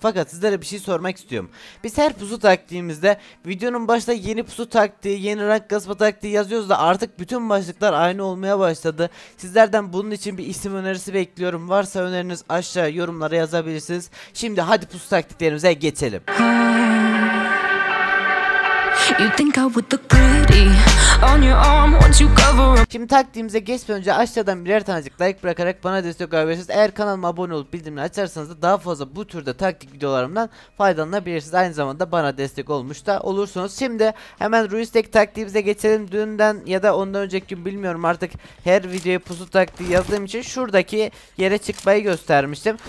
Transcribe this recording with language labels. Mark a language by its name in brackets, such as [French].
[Turkish] Fakat sizlere bir şey sormak istiyorum. Biz her pusu taktiğimizde videonun başta yeni pusu taktiği, yeni rank kasma taktiği yazıyoruz da artık bütün başlıklar aynı olmaya başladı. Sizlerden bunun için bir isim önerisi bekliyorum. Varsa öneriniz aşağı yorumlara yazabilirsiniz. Şimdi hadi pusu taktiklerimize geçelim. [English] You think I would look pretty on your arm once you cover up. [Turkish] Şimdi taktiğimize geçmeden önce aşağıdan birer tanecik like bırakarak bana destek olabilirsiniz. Eğer kanalıma abone olup bildirimleri açarsanız da daha fazla bu türde taktik videolarımdan faydalanabilirsiniz. Aynı zamanda bana destek olmuş da olursunuz. Şimdi hemen Ruistek taktiğimize geçelim. Dünden ya da ondan önceki gün bilmiyorum artık, her videoya pusu taktiği yazdığım için şuradaki yere çıkmayı göstermiştim.